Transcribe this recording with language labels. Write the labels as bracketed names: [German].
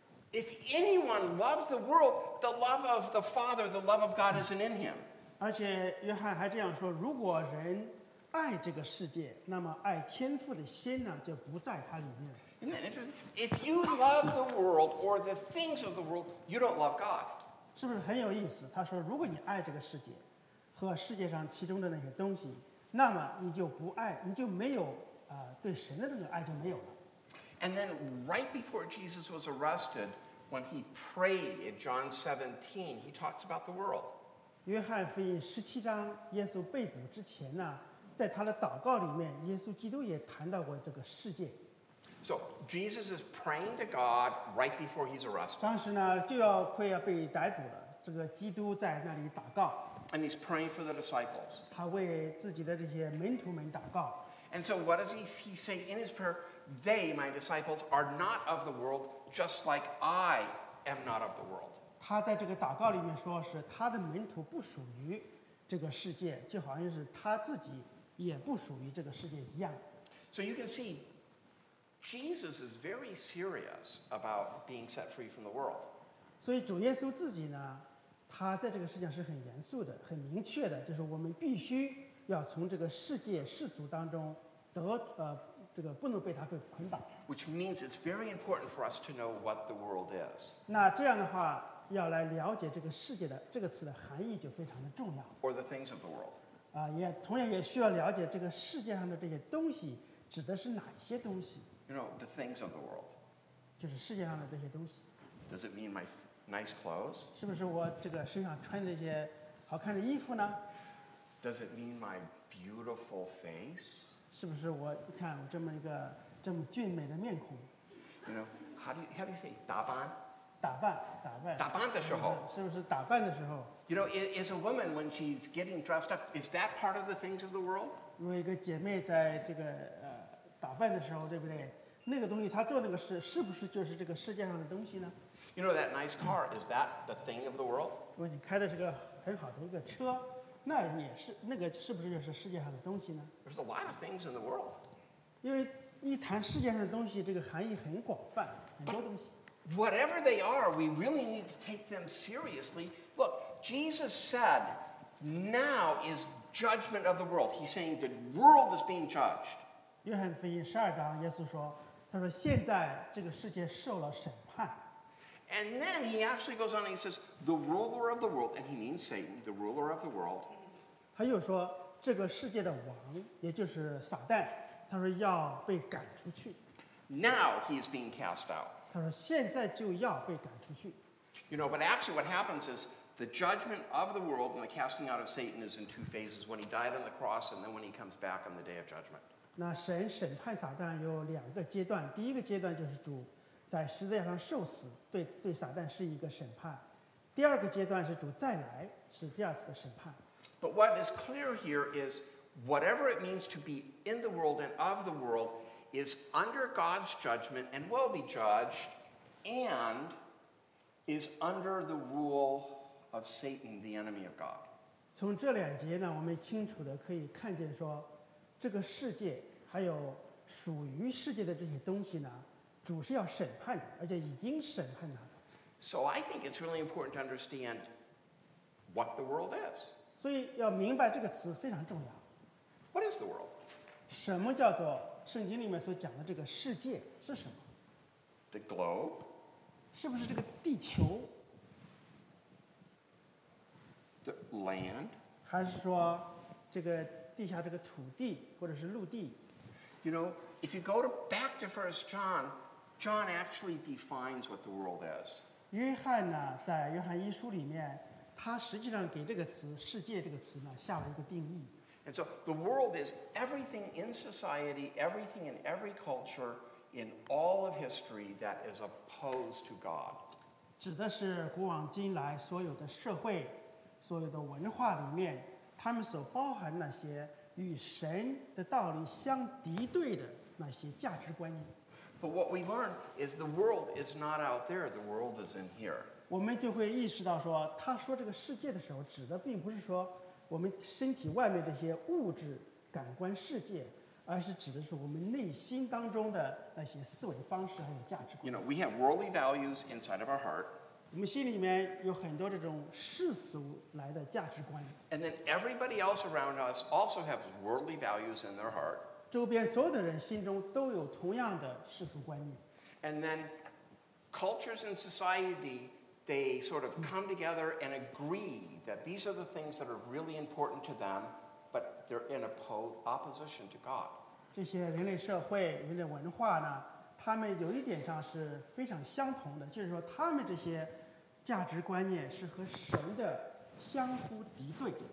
[English] If anyone loves the world, the love of the Father, the love of God, isn't in him。 [Chinese] 而且约翰还这样说：如果人爱这个世界，那么爱天父的心呢，就不在他里面。 [English] Isn't that interesting? If you love the world or the things of the world, you don't love God. [Chinese] 是不是很有意思？他说，如果你爱这个世界和世界上其中的那些东西，那么你就不爱，你就没有对神的那个爱就没有了。 [English] And then, right before Jesus was arrested, when he prayed in John 17, he talks about the world. [Chinese] 约翰福音十七章，耶稣被捕之前呢，在他的祷告里面，耶稣基督也谈到过这个世界。 [English] So Jesus is praying to God right before he's arrested. [Chinese] 当时呢，就要快要被逮捕了。这个基督在那里祷告。 [English] And he's praying for the disciples. [Chinese] 他为自己的这些门徒们祷告。 [English] And so what does he say in his prayer? They, my disciples, are not of the world, just like I am not of the world. [Chinese] 他在这个祷告里面说是他的门徒不属于这个世界，就好像是他自己也不属于这个世界一样。 [English] So you can see. Jesus is very serious about being set free from the world. [Chinese] 所以主耶稣自己呢，他在这个事情是很严肃的，很明确的，就是我们必须要从这个世界世俗当中得这个不能被他给捆绑。 [English] Which means it's very important for us to know what the world is. [Chinese] 那这样的话，要来了解这个世界的这个词的含义就非常的重要。 [English] Or the things of the world. [Chinese] 啊，也同样也需要了解这个世界上的这些东西指的是哪些东西。 [English] You know, the things of the world. [Chinese] 就是世界上的这些东西。 [English] Does it mean my nice clothes? [Chinese] 是不是我这个身上穿的一些好看的衣服呢？ [English] Does it mean my beautiful face? [Chinese] 是不是我看我这么一个这么俊美的面孔？ [English] You know, how do you say 打扮？ [Chinese] 打扮，打扮。打扮的时候。是不是打扮的时候？ [English] You know, is a woman when she's getting dressed up, is that part of the things of the world? [Chinese] 如果一个姐妹在这个打扮的时候，对不对？那个东西，他做那个事，是不是就是这个世界上的东西呢 [English] ？You know that nice car is that the thing of the world？ [Chinese] 如果你开的是个很好的一个车，那也是那个是不是就是世界上的东西呢 [English] ？There's a lot of things in the world。 [Chinese] 因为一谈世界上的东西，这个含义很广泛，很多东西。 [English] Whatever they are, we really need to take them seriously. Look, Jesus said, "Now is judgment of the world." He's saying the world is being judged. [Chinese] 约翰福音十二章，耶稣说：“他说现在这个世界受了审判。” [English] And then he actually goes on and he says, "The ruler of the world," and he means Satan, the ruler of the world. [Chinese] 他又说这个世界的王，也就是撒旦，他说要被赶出去。 [English] Now he is being cast out. [Chinese] 他说现在就要被赶出去。 [English] You know, but actually, what happens is the judgment of the world and the casting out of Satan is in two phases: when he died on the cross, and then when he comes back on the day of judgment. [Chinese] 那神审判撒旦有两个阶段，第一个阶段就是主在十字架上受死，对撒旦是一个审判；第二个阶段是主再来，是第二次的审判。 [English] But what is clear here is whatever it means to be in the world and of the world is under God's judgment and will be judged, and is under the rule of Satan, the enemy of God. [Chinese] 从这两节呢，我们清楚的可以看见说。这个世界还有属于世界的这些东西呢，主是要审判的，而且已经审判他了。 [English] So I think it's really important to understand what the world is. [Chinese] 所以要明白这个词非常重要。 [English] What is the world? [Chinese] 什么叫做圣经里面所讲的这个世界是什么？ [English] The globe? [Chinese] 是不是这个地球？ [English] The land? [Chinese] 还是说这个地下这个土地或者是陆地？ [English] You know, if you go to back to 1 John, John actually defines what the world is. [Chinese] 约翰呢，在约翰一书里面，他实际上给这个词“世界”这个词呢下了一个定义。 [English] And so the world is everything in society, everything in every culture, in all of history that is opposed to God. [Chinese] 指的是古往今来所有的社会、所有的文化里面，他们所包含那些与神的道理相敌对的那些价值观念。 [English] But what we learn is the world is not out there, the world is in here. [Chinese] 我们就会意识到说，他说这个世界的时候，指的并不是说我们身体外面这些物质感官世界，而是指的是我们内心当中的那些思维方式还有价值观。 [English] You know, we have worldly values inside of our heart. [Chinese] 我们心里面有很多这种世俗来的价值观。 [English] And then everybody else around us also have worldly values in their heart. [Chinese] 周边所有的人心中都有同样的世俗观念。 [English] And then cultures and society, they sort of come together and agree. That these are the things that are really important to them, but they're in opposition to God. [Chinese] 这些人类社会、人类文化呢，他们有一点上是非常相同的，就是说他们这些价值观念是和神的相互敌对。